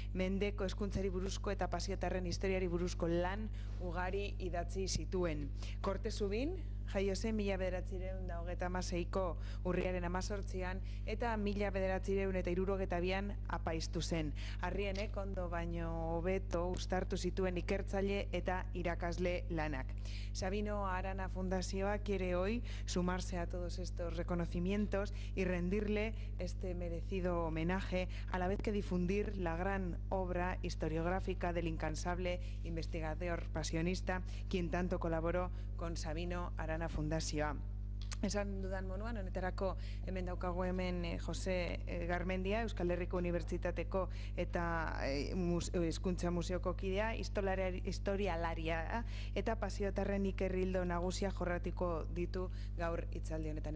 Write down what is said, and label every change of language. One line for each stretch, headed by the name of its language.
Basque: Mendeko hezkuntzari buruzko eta pasiotarren historiari buruzko lan ugari idatzi zituen. Kortezubin jaio zen 1936ko urriaren 18an eta 1962an apaiztu zen. Arrienek ondo baino hobeto uztartu zituen ikertzaile eta irakasle lanak.
Spanish: Sabino Arana Fundazioa quiere hoy sumarse a todos estos reconocimientos y rendirle este merecido homenaje a la vez que difundir la gran obra historiográfica del incansable investigador pasionista quien tanto colaboró con Sabino Arana Fundazioa.
Basque: Esan dudan moduan, honetarako hemen daukagu hemen Jose Garmendia, Euskal Herriko Unibertsitateko eta Hezkuntza Museoko kidea, historialaria eta pasiotarren ikerrildo nagusia jorratiko ditu gaur hitzaldi honetan.